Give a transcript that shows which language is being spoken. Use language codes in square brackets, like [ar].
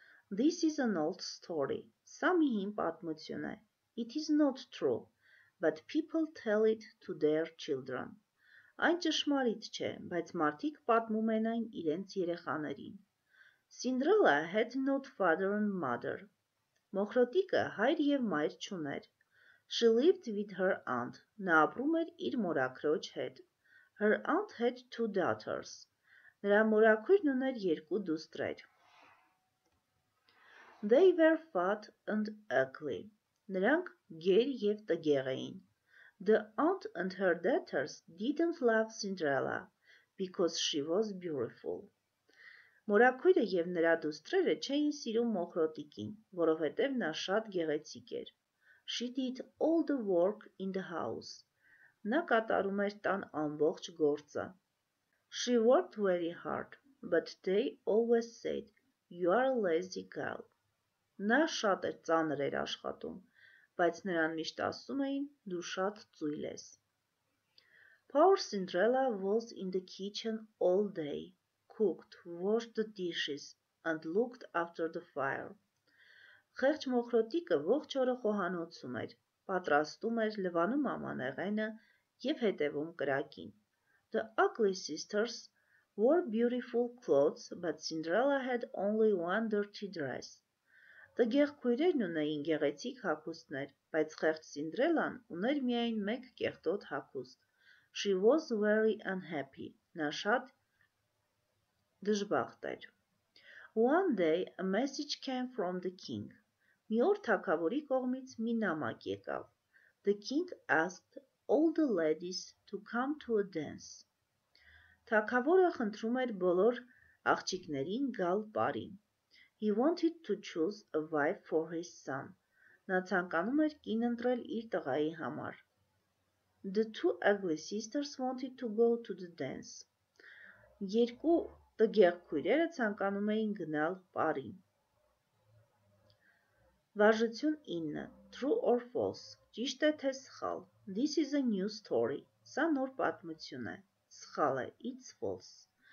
[en] This is an old story, [hy] sami him patmutyune. [en] It is not true, but people tell it to their children. [hy] Այն ճշմարիտ չէ, բայց մարդիկ պատմում են այն իրենց երեխաներին. [en] Cinderella had no father and mother. [hy] Մոխրոտիկը հայր և մայր չուներ. [en] She lived with her aunt. [hy] Նա ապրում էր իր մորաքրոջ հետ. [en] Her aunt had two daughters. [hy] Նրա մորաքույրն ուներ երկու դուստրեր. [en] They were fat and ugly. [hy] Նրանք գեր և տգեղ էին. [en] The aunt and her daughters didn't love Cinderella because she was beautiful. [hy] Մորաքույրը և նրա դուստրերը չէին սիրում մոխրոտիկին, որովհետև նա շատ գեղեցիկ էր. [en] She did all the work in the house. [hy] Նա կատարում էր տան ամբողջ գործը. [en] She worked very hard, but they always said, "You are a lazy girl." [hy] Նա շատ էր ծանր էր աշխատում, բայց նրան միշտ ասում էին, դու շատ ծույլ ես. [en] Poor Cinderella was in the kitchen all day, cooked, washed the dishes, and looked after the fire. [hy] Խեղճ մոխրոտիկը ողջ օրը խոհանոցում էր, պատրաստում էր, լվանում ամանեղենը և հետևում կրակին. [en] The ugly sisters wore beautiful clothes, but Cinderella had only one dirty dress. [hy] Տգեղ քույրերն ունեին գեղեցիկ հագուստներ, բայց խեղճ Սինդրելան ուներ միայն մեկ կեղտոտ հագուստ. [en] She was very unhappy. [hy] Նա շատ դժբախտ էր. [en] One day a message came from the king. [hy] Մի օր թագավորի կողմից մի նամակ եկավ. [en] The king asked all the ladies to come to a dance. [hy] Թագավորը խնդրում էր բոլոր աղջիկներին գալ պարին. [en] He wanted to choose a wife for his son. [hy] Նա ցանկանում էր կին ընտրել իր տղայի համար. [en] The two ugly sisters wanted to go to the dance. [hy] Երկու տգեղ քույրերը ցանկանում էին գնալ պարին. Վարժություն 9. [en] True or false? [hy] Ճիշտ է թե սխալ? [en] This is a new story. [hy] Սա նոր պատմություն է. Սխալ է. [en] It's false.